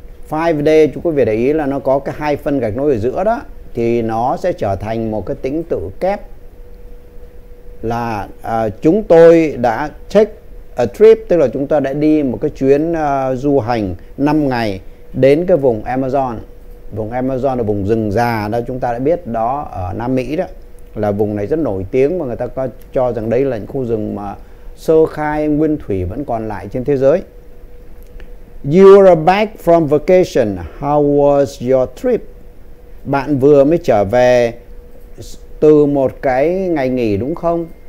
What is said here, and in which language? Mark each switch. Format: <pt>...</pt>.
<vi>5-day, chúng quý vị để ý là nó có cái hai phân gạch nối ở giữa đó, thì nó sẽ trở thành một cái tính tự kép là chúng tôi đã</vi> <en>take a trip,</en> <vi>tức là chúng ta đã đi một cái chuyến du hành 5 ngày đến cái vùng Amazon. Vùng Amazon là vùng rừng già đó, chúng ta đã biết đó, ở Nam Mỹ đó. Là vùng này rất nổi tiếng và người ta cho rằng đây là những khu rừng mà sơ khai nguyên thủy vẫn còn lại trên thế giới.</vi> <en>You are back from vacation. How was your trip?</en> <vi>Bạn vừa mới trở về từ một cái ngày nghỉ đúng không?</vi>